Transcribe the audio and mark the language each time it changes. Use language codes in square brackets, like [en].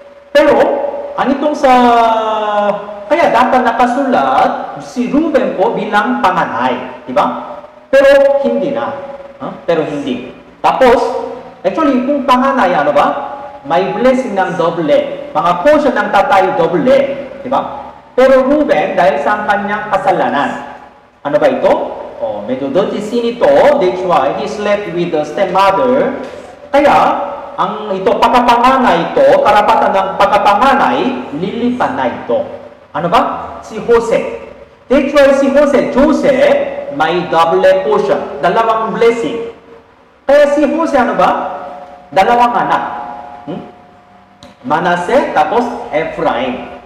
[tl] Pero, anitong sa... Kaya dapat nakasulat, si Reuben po bilang panganay. Di ba? Pero, hindi na. Huh? Pero, hindi. Tapos, actually, kung panganay, ano ba? May blessing ng doble. Mga portion ng tatay, doble. Diba? Pero Reuben, dahil sa kanyang kasalanan, ano ba ito? [en] Oh, [tl] medyo dirty sin ito, [en] that's why he slept with the stepmother. [tl] Kaya, ang ito, pagkapanganay ito, karapatan ng pagkapanganay, lilipan na ito. Ano ba? Si Jose. Dechoy si Jose, Joseph, may double portion, dalawang blessing. Kaya si Jose, ano ba? Dalawang anak. Manasseh, tapos Ephraim.